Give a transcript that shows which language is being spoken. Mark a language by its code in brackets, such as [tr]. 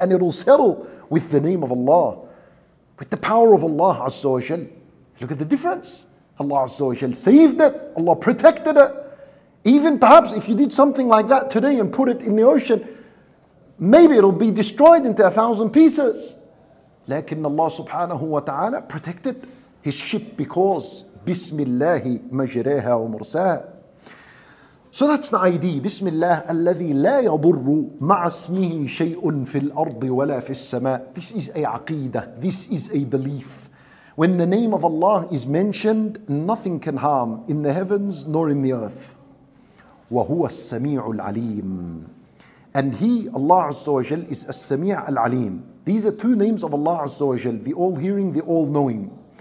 [en] And it will settle with the name of Allah, with the power of Allah, عَزَّ وَجَلْ. Look at the difference. Allah عز وجل saved it. Allah protected it. Even perhaps if you did something like that today and put it in the ocean, maybe it'll be destroyed into 1,000 pieces. [ar] لكن الله سبحانه وتعالى [en] protected his ship because [ar] بسم الله مجريها ومرساها. [en] So that's the idea. [ar] بسم الله الذي لا يضر مع اسمه شيء في الأرض ولا في السماء. [en] This is a aqidah. This is a belief. When the name of Allah is mentioned, nothing can harm in the heavens nor in the earth. [ar] وَهُوَ السَّمِيعُ الْعَلِيمُ [en] And he, Allah Azza wa Jal, is السَّمِيعُ الْعَلِيمُ These are two names of Allah Azza wa Jal, the all-hearing, the all-knowing.